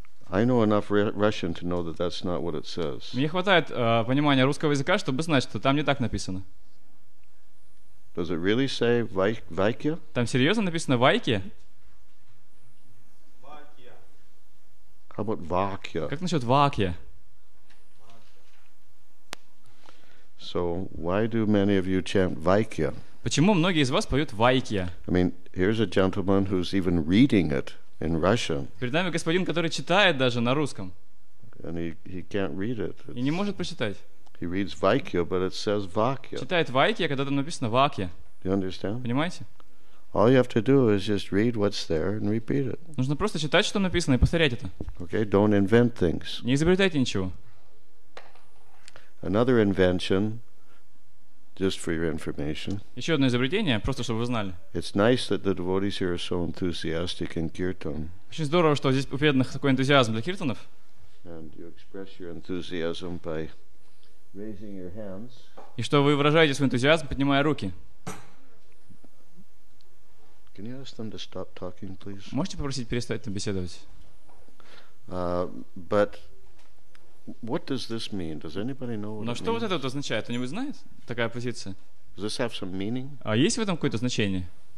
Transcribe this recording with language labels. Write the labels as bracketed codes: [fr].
[en] I know enough Russian to know that that's not what it says. [ru] Мне хватает понимания русского языка, чтобы знать, что там не так написано. [en] Does it really say Vaikya? [ru] Там серьезно написано Vaikya? [en] How about Vakya? [ru] Как насчет Vakya? [en] So why do many of you chant Vaikya? [ru] Почему многие из вас поют Vaikya? [en] I mean, here's a gentleman who's even reading it in Russian. [ru] Перед нами господин, который читает даже на русском. [en] And he can't read it. [ru] И не может прочитать. [en] He reads Vaikya, but it says Vakya. [ru] Читает Vaikya, когда там написано Vakya. [en] You understand? [ru] Понимаете? [en] All you have to do is just read what's there and repeat it. [ru] Нужно просто читать, что написано, и повторять это. [en] Okay, don't invent things. [ru] Не изобретайте ничего. [en] Another invention, just for your information. [ru] Еще одно изобретение, просто чтобы вы знали. [en] It's nice that the devotees here are so enthusiastic in kirtan. [ru] Очень здорово, что здесь у преданных такой энтузиазм для киртанов. [en] And you express your enthusiasm by raising your hands. [ru] И что вы выражаете свой энтузиазм, поднимая руки. [en] Can you ask them to stop talking, please? [ru] Можете попросить перестать там беседовать? [en] But what does this mean? Does anybody know what [ru] Но что вот это вот означает? Кто-нибудь знает? Такая позиция. [en] Does this have some meaning? [ru] А есть в этом какое-то значение?